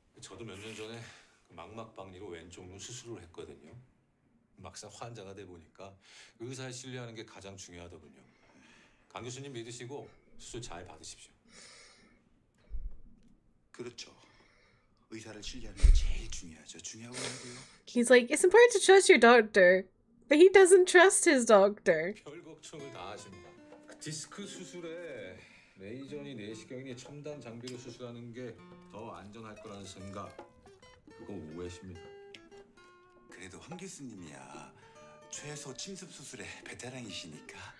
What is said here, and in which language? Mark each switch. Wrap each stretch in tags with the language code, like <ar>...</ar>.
<ko>저도 몇 년 전에 망막박리로 왼쪽 눈 수술을 했거든요. 막상 환자가 돼 보니까 의사에 신뢰하는 게 가장 중요하더군요. 강 교수님 믿으시고 수술 잘 받으십시오. 그렇죠. 의사를 신뢰하는 게 제일 중요하죠. 중요하고요.</ko> <en>He's like, it's important to trust your doctor, but he doesn't trust his doctor.</en> <ko>별 걱정을 다 하십니다. 디스크 수술에 레이저니 내시경이니 첨단 장비로 수술하는 게 더 안전할 거라는 생각, 그건 오해십니다. 그래도 황 교수님이야 최소 침습 수술의 베테랑이시니까.</ko>